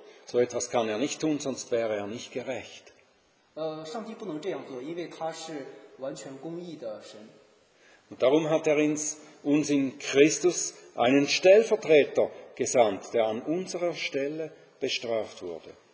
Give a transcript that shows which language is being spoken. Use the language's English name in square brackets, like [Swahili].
[German] So etwas kann er nicht tun, sonst wäre er nicht gerecht. [Chinese] 上帝不能这样做，因为他是完全公义的神。 [German] Und darum hat er uns in Christus einen Stellvertreter gesandt, der an unserer Stelle bestraft wurde.